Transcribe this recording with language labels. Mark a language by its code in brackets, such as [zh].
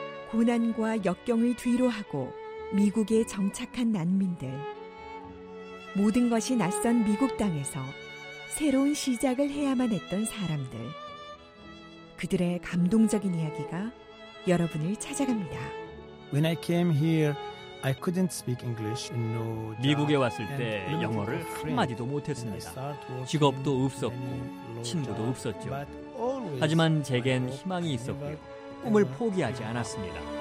[ko] 고난과 역경을 뒤로하고 미국에 정착한 난민들. 모든 것이 낯선 미국 땅에서 새로운 시작을 해야만 했던 사람들. 그들의 감동적인 이야기가 여러분을 찾아갑니다. [en] When I came here, I couldn't speak English. No. [ko] 미국에 왔을 때 영어를 한마디도 못했습니다. 직업도 없었고 친구도 없었죠. 하지만 제겐 희망이 있었고요. 꿈을 포기하지 않았습니다.